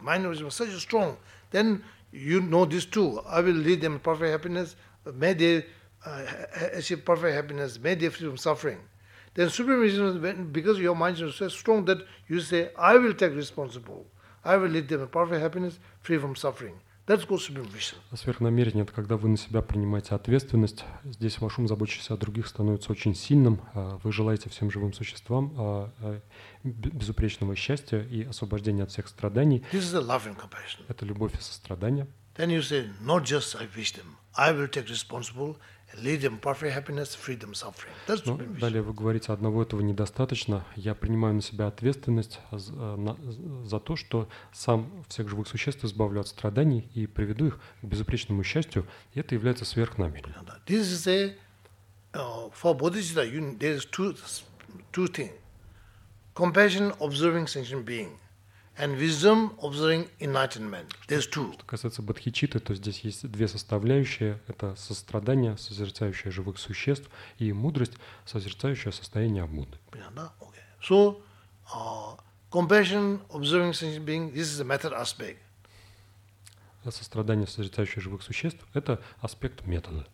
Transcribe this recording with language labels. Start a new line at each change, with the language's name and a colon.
English: Mind change was such a strong. Then, you know this too. I will lead them to perfect happiness. May they achieve perfect happiness. May they free from suffering. Then supreme wisdom is when, because your mind is so strong that you say, "I will take responsible. I will lead them to perfect happiness, free from suffering." That's called supreme wisdom.
Russian: Сверхнамерение — это когда вы на себя принимаете ответственность. Здесь ваш ум, заботящийся о других, становится очень сильным. Вы желаете всем живым существам безупречного счастья и освобождения от всех страданий.
English: This is a loving compassion.
Russian: Это любовь и сострадание.
English: Then you say, not just I wish them. I will take responsible and lead them perfect happiness, freedom, suffering. That's what we wish.
Russian: Далее вы говорите, одного этого недостаточно. Я принимаю на себя ответственность за то, что сам всех живых существ избавлю от страданий и приведу их к безупречному счастью. И это является сверхнамерением.
English: This is a for Bodhisattva. There's two things: compassion observing sentient being. And wisdom observing enlightenment. There's two.
Russian: Что касается бодхичитты, то здесь есть две составляющие. Это сострадание, созерцающее живых существ, и мудрость, созерцающее состояние Будды. Понятно? Okay.
English: So, compassion observing sentient being, this is the method aspect.
Russian: Сострадание, созерцающее живых существ, это аспект метода.